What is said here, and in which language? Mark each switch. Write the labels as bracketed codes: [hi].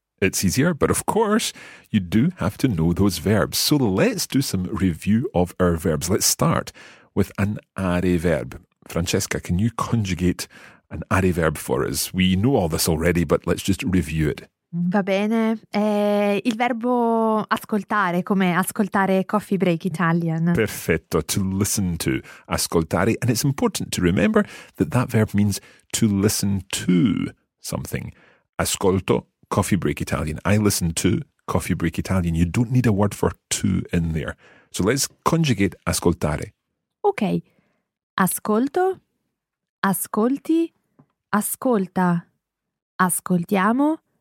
[en] It's easier, but of course, you do have to know those verbs. So let's do some review of our verbs. Let's start with an are verb. Francesca, can you conjugate an are verb for us? We know all this already, but let's just review it. [it] Va bene. Il verbo ascoltare, come ascoltare Coffee Break Italian. [en] Perfetto, to listen to, ascoltare. And it's important to remember that that verb means to listen to something. Ascolto Coffee Break Italian. I listen to Coffee Break Italian. You don't need a word for to in there. So let's conjugate ascoltare. [it] Ok. Ascolto, ascolti, ascolta, ascoltiamo.